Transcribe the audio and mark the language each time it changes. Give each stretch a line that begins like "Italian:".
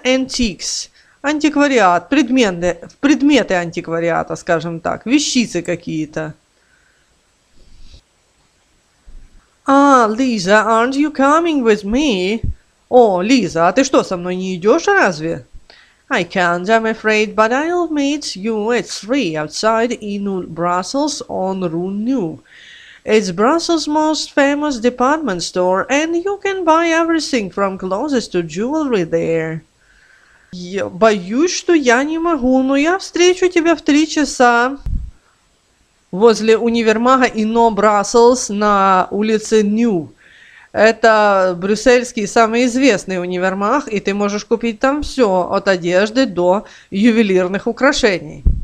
English: Antiques. Антиквариат.
Russian: Предметы антиквариата, скажем так. Вещицы какие-то.
English: А, Лиза, aren't you coming with me?
Russian: О, Лиза, а ты что, со мной не идешь разве?
English: I can't, I'm afraid, but I'll meet you at 3 outside in Brussels on Rue Neuve. It's Brussels' most famous department store, and you can buy everything from clothes to jewelry there.
Russian: Я боюсь, что я не могу, но я встречу тебя в 3 часа возле универмага Ино Brussels на улице Нью. Это брюссельский самый известный универмаг, и ты можешь купить там все, от одежды до ювелирных украшений.